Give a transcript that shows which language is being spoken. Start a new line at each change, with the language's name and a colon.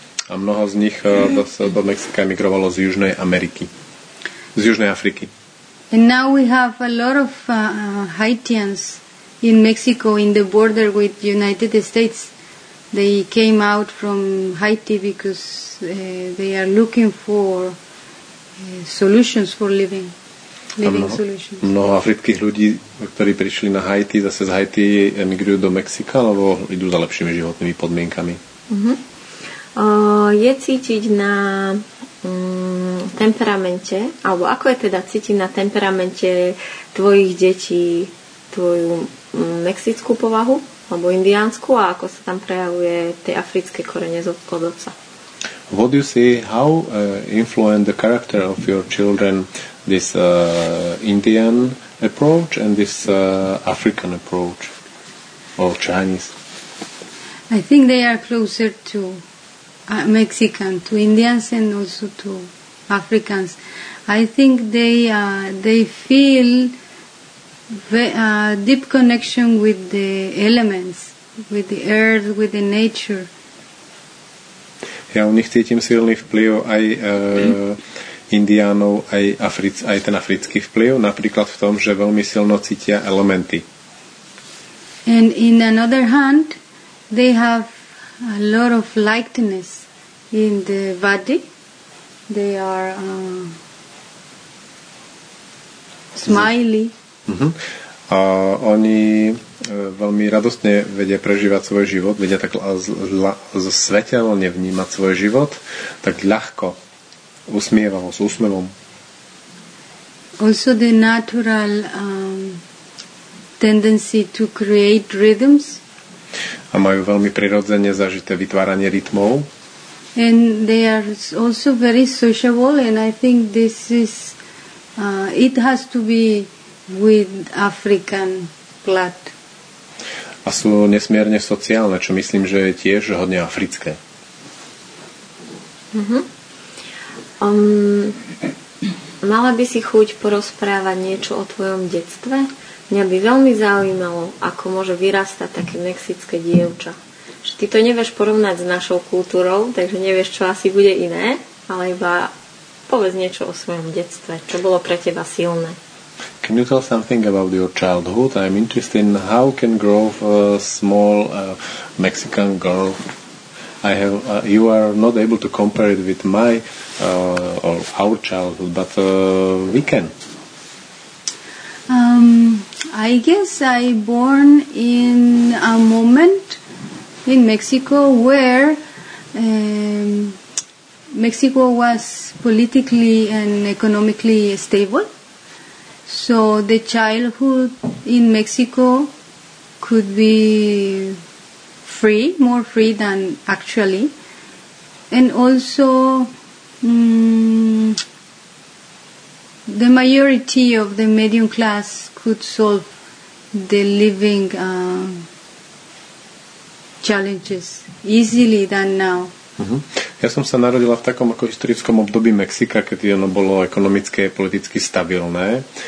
Slovak: A mnoho z nich do Mexika emigrovalo z Južnej Ameriky. Z Južnej Afriky.
English: And now we have a lot of Haitians in Mexico in the border with United States. They came out from Haiti because they are looking for solutions for living.
Slovak: Mnoho afrických ľudí, ktorí prišli na Haiti, zase z Haiti emigrujú do Mexika, lebo idú za lepšími životnými podmienkami. Je cítiť na temperamente, alebo ako je teda cítiť na temperamente tvojich detí, tvoju mexickú povahu, alebo indiánsku, a ako sa tam prejavuje tie africké korene z odkladovca?
English: What do you see, how influence the character of your children this Indian approach and this African approach or Chinese? I think they are closer to Mexican, to Indians and also to Africans. I think they feel a deep connection with the elements, with the earth, with the nature.
Slovak: Ja u nich cítim silný vplyv aj indiánov, aj ten africký vplyv, napríklad v tom, že veľmi silno cítia elementy.
English: And in another hand, they have a lot of lightness in the body. They are smiley.
Slovak: A oni veľmi radostne vedia prežívať svoj život, vedia tak svetelne vnímať svoj život, tak ľahko, usmievavo, s úsmevom.
English: Also the natural tendency to create rhythms.
Slovak: A majú veľmi prirodzene zažité vytváranie rytmov.
English: And they are also very sociable, and I think this is it has to be with African blood.
Slovak: A sú nesmierne sociálne, čo myslím, že je tiež hodne africké. Mala by si chuť porozprávať niečo o tvojom detstve? Mňa by veľmi zaujímalo, ako môže vyrastať také mexické dievča. Že ty to nevieš porovnať s našou kultúrou, takže nevieš, čo asi bude iné, ale iba povedz niečo o svojom detstve, čo bolo pre teba silné.
English: Can you tell something about your childhood? I'm interested in how can grow a small Mexican girl. I have you are not able to compare it with my or our childhood, but we can. I guess I born in a moment in Mexico where Mexico was politically and economically stable. So the childhood in Mexico could be free, more free than actually. And also the majority of the medium class could solve the living challenges easily than now.
Slovak: Ja som sa narodila v takom ako historickom období Mexika, keď ono bolo ekonomické a politicky stabilné.